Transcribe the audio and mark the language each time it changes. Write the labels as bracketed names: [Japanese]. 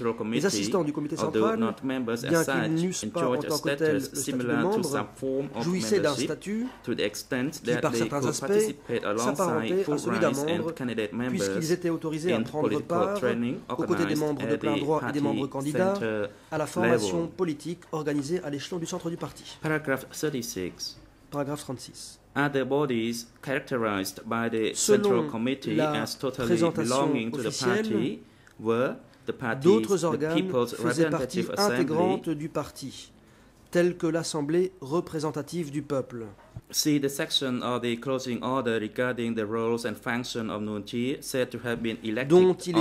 [French] Les assistants du comité central, bien qu'ils n'eussent pas en tant que tels le statut de membre, jouissait d'un statut qui, par certains aspects, s'apparentait à celui d'un membre puisqu'ils étaient autorisés à prendre part aux côtés des membres de plein droit et des membres candidats à la formation politique organisée à l'échelon du centre du parti. Paragraphe 36. Paragraphe 36. [English] Other bodies characterized by the Central Committee as totally belonging to the party were the parties, [French] d'autres organes faisaient partie intégrante du parti, telle que l'Assemblée représentative du peuple. [English] See the section of the closing order regarding the roles and functions of Nguyen Chi said to have been elected on